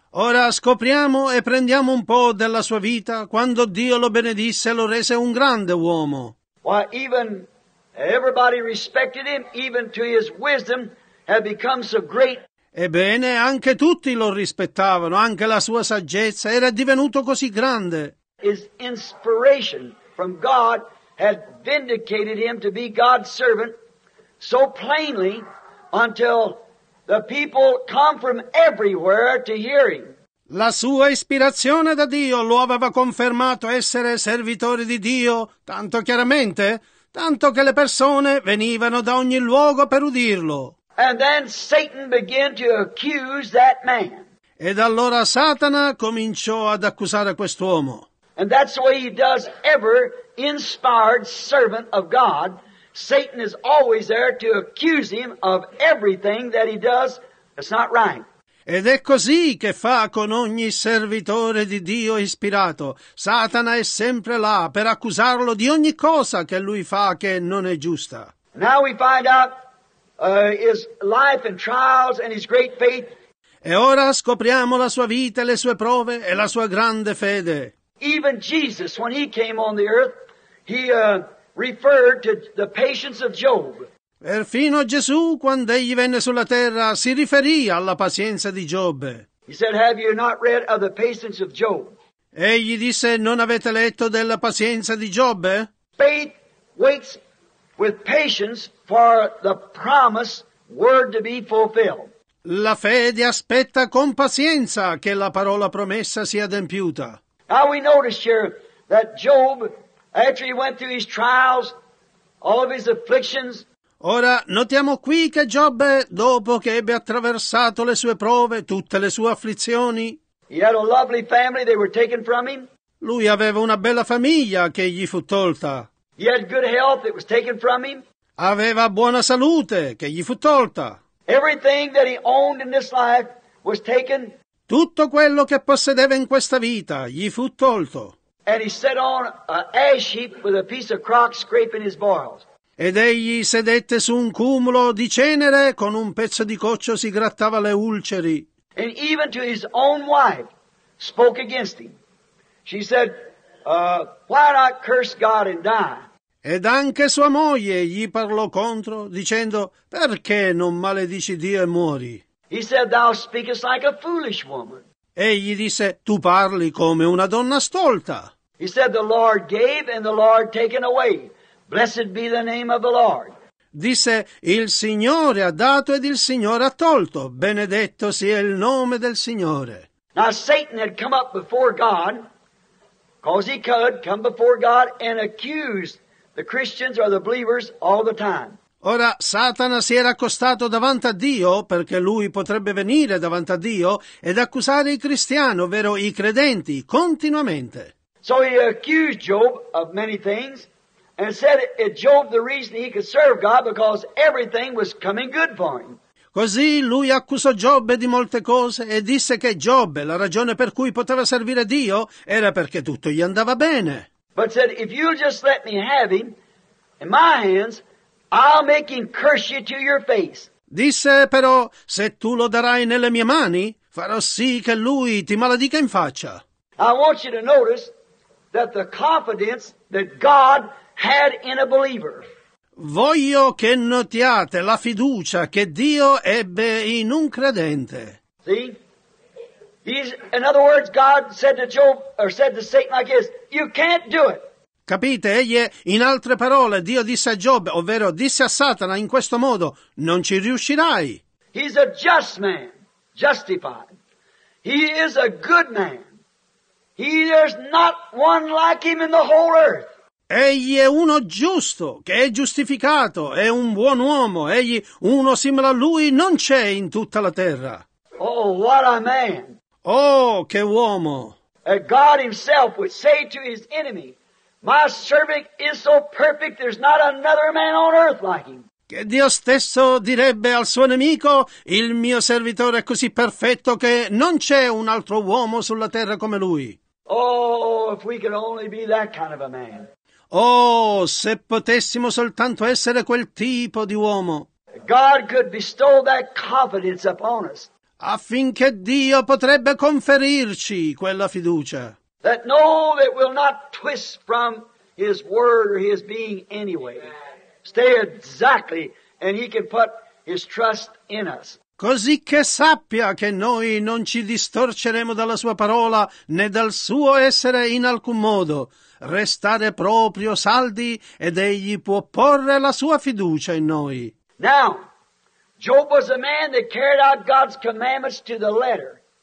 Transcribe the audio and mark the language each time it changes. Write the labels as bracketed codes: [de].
[it] Ora scopriamo e prendiamo un po' della sua vita quando Dio lo benedisse e lo rese un grande uomo. [en] Why, even everybody respected him, even to his wisdom had become so great. [it] Ebbene, anche tutti lo rispettavano, anche la sua saggezza era divenuto così grande. [en] His inspiration from God had vindicated him to be God's servant so plainly until the people come from everywhere to hear him. [it] La sua ispirazione da Dio lo aveva confermato essere servitore di Dio tanto chiaramente, tanto che le persone venivano da ogni luogo per udirlo. [en] And then Satan began to accuse that man. [it] Ed allora Satana cominciò ad accusare quest'uomo. [en] And that's the way he does every inspired servant of God. Satan is always there to accuse him of everything that he does that's not right. [it] Ed è così che fa con ogni servitore di Dio ispirato. Satana è sempre là per accusarlo di ogni cosa che lui fa che non è giusta. [en] Now we find out his life and trials and his great faith. [it] E ora scopriamo la sua vita e le sue prove e la sua grande fede. [en] Even Jesus, when he came on the earth, he referred to the patience of Job. [it] Perfino Gesù, quando egli venne sulla terra, si riferì alla pazienza di Giobbe. [en] He said, "Have you not read of the patience of Job?" [it] Egli disse, "Non avete letto della pazienza di Giobbe?" [en] Faith waits with patience for the promised word to be fulfilled. [it] La fede aspetta con pazienza che la parola promessa sia adempiuta. [en] Now we notice here that Job, after he went through his trials, all of his afflictions. [it] Ora notiamo qui che Giobbe, dopo che ebbe attraversato le sue prove, tutte le sue afflizioni, [en] he had a lovely family they were taken from him. [it] Lui aveva una bella famiglia che gli fu tolta. [en] He had good health that was taken from him. [it] Aveva buona salute che gli fu tolta. [en] Everything that he owned in this life was taken. [it] Tutto quello che possedeva in questa vita gli fu tolto. [en] And he sat on an ash heap with a piece of rock scraping his boils. [it] Ed egli sedette su un cumulo di cenere con un pezzo di coccio si grattava le ulceri. [en] And even to his own wife spoke against him. She said, "Why not curse God and die?" [it] Ed anche sua moglie gli parlò contro, dicendo, "Perché non maledici Dio e muori?" [en] He said, "Thou speakest like a foolish woman." [it] Egli disse, "Tu parli come una donna stolta." [en] He said, "The Lord gave and the Lord taken away. Blessed be the name of the Lord." [it] Disse, "Il Signore ha dato ed il Signore ha tolto. Benedetto sia il nome del Signore." [en] Now Satan had come up before God, because he could come before God and accuse the Christians or the believers all the time. [it] Ora Satana si era accostato davanti a Dio perché lui potrebbe venire davanti a Dio ed accusare i cristiani, ovvero i credenti, continuamente. [en] So he accused Job of many things and said it Job the reason he could serve God because everything was coming good for him. [it] Così lui accusò Giobbe di molte cose e disse che Giobbe, la ragione per cui poteva servire Dio, era perché tutto gli andava bene. [en] But said, "If you'll just let me have him in my hands, I'll make him curse you to your face." [it] Disse però, "Se tu lo darai nelle mie mani, farò sì che lui ti maledica in faccia." [en] I want you to notice that the confidence that God had in a believer. [it] Voglio che notiate la fiducia che Dio ebbe in un credente. [en] See? In other words, God said to Job, or said to Satan like this, "You can't do it." [it] Capite? Egli, in altre parole, Dio disse a Giobbe, ovvero disse a Satana in questo modo, non ci riuscirai. [en] He's a just man, justified. He is a good man. There's not one like him in the whole earth. [it] Egli è uno giusto, che è giustificato, è un buon uomo. Egli, uno simile a lui, non c'è in tutta la terra. [en] Oh, what a man. [it] Oh, che uomo! [en] And God himself would say to his enemy, "My servant is so perfect, there's not another man on earth like him." [it] Che Dio stesso direbbe al suo nemico, "Il mio servitore è così perfetto che non c'è un altro uomo sulla terra come lui." [en] Oh, if we could only be that kind of a man. [it] Oh, se potessimo soltanto essere quel tipo di uomo. [en] God could bestow that confidence upon us. [it] Affinché Dio potrebbe conferirci quella fiducia. [en] That no, that will not twist from his word or his being anyway. Stay exactly, and he can put his trust in us. [it] Così che sappia che noi non ci distorceremo dalla sua parola né dal suo essere in alcun modo. Restare proprio saldi ed egli può porre la sua fiducia in noi. [en] Now, Job was a man that carried out God's commandments to the letter.